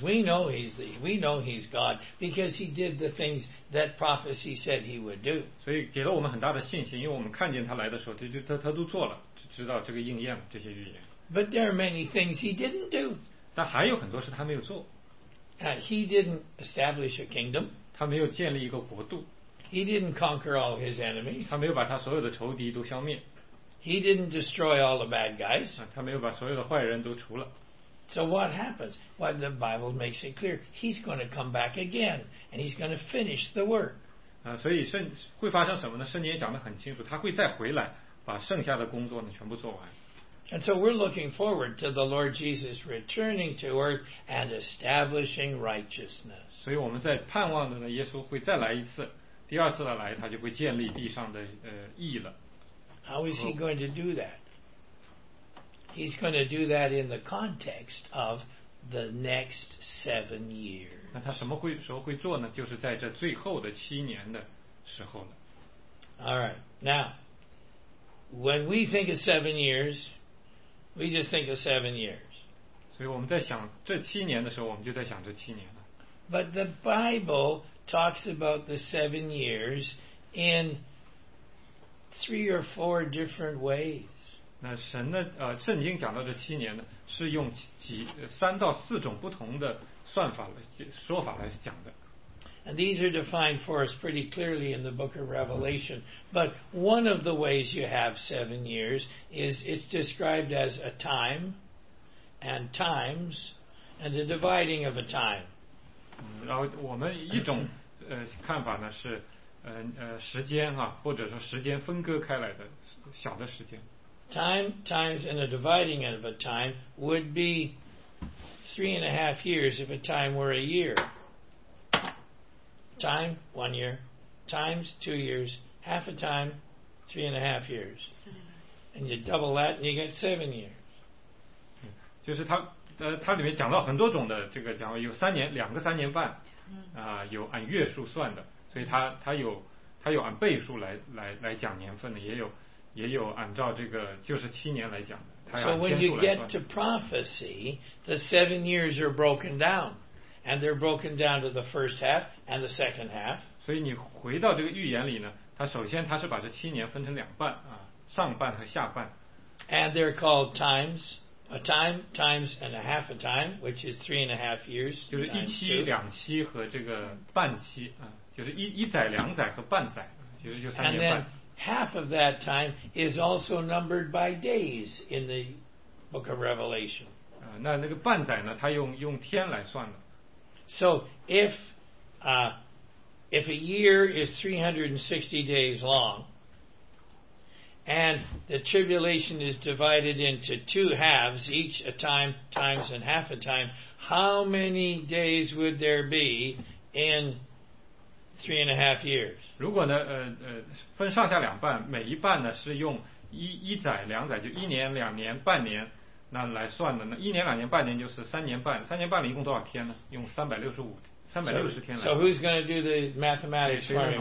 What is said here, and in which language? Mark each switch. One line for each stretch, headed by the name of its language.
English: We know he's God because he did the things that prophecy said he would do.
Chinese: 所以给了我们很大的信心，因为我们看见他来的时候，他都做了，知道这个应验了这些预言。
English: But there are many things he didn't do.
Chinese: 但还有很多事他没有做。
English: He didn't establish a kingdom.
Chinese: 他没有建立一个国度。
English: He didn't conquer all his enemies.
Chinese: 他没有把他所有的仇敌都消灭。
English: He didn't destroy all the bad guys.
Chinese: 他没有把所有的坏人都除了。
English: So what happens? Well, the Bible makes it clear. He's going to come back again. And he's going to finish the work.
Chinese: 所以会发生什么呢？圣经也讲得很清楚。他会再回来把剩下的工作呢全部做完。
English: And so we're looking forward to the Lord Jesus returning to earth and establishing righteousness.
Chinese: 所以我们在盼望的呢耶稣会再来一次。第二次的来他就会建立地上的义了。
English: How is he going to do that? He's going to do that in the context of the next 7 years.
Chinese: 那他什么时候会做呢？就是在这最后的七年的时候了。
English: All right. Now, when we think of 7 years, we just think of 7 years.
Chinese: 所以我们在想这七年的时候，我们就在想这七年了。
English: But the Bible talks about the 7 years in three or four different ways.
Chinese: 那神呢？圣经讲到这七年呢，是用三到四种不同的算法来说法来讲的。
English: And these are defined for us pretty clearly in the book of Revelation. But one of the ways you have 7 years is it's described as a time and times and the dividing of a time.
Chinese: 然后我们一种看法呢是时间啊，或者说时间分割开来的小的时间。
English: Time, times and a dividing of a time would be 3.5 years if a time were a year. Time, 1 year. Times, 2 years. Half a time, 3.5 years. And you double that and you get 7 years.
Chinese: 就是它里面讲到很多种的这个讲有三年两个三年半啊、有按月数算的，所以它有按倍数来讲年份的，也有按照这个就是七年来讲的。
English: So when you get to prophecy, the 7 years are broken down. And they're broken down to the first half and the second half.
Chinese: 所以你回到这个预言里呢，它首先它是把这七年分成两半啊，上半和下半。
English: And they're called times, a time, times and a half a time, which is 3.5 years.
Chinese: 就是一期、两期和这个半期啊，就是一载、两载和半载，就三年半。
English: And then half of that time is also numbered by days in the Book of Revelation.
Chinese: 啊，那个半载呢，它用天来算的。
English: So if a year is 360 days long, and the tribulation is divided into two halves, each a time, times, and half a time, how many days would there be in 3.5 years?
Chinese: 如果呢，分上下两半，每一半呢是用一载、两载，就一年、两年、半年。那来算的呢？一年、两年、半年就是三年半。三年半里一共多少天呢？用三百六十天来。
English: So who's going to do the mathematics for me?